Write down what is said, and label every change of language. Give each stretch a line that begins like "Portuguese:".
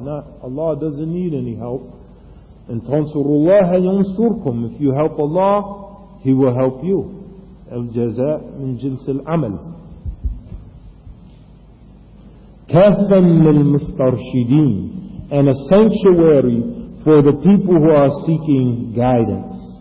English: Not Allah doesn't need any help. And
Arabic: تَنْصُرُ اللَّهَ يَنْصُرْكُمْ.
English: If you help Allah, He will help you.
Arabic: الجزاء من جنس العمل. كَهْفًا لِلْمُسْتَرْشِدِينَ.
English: And a sanctuary for the people who are seeking guidance.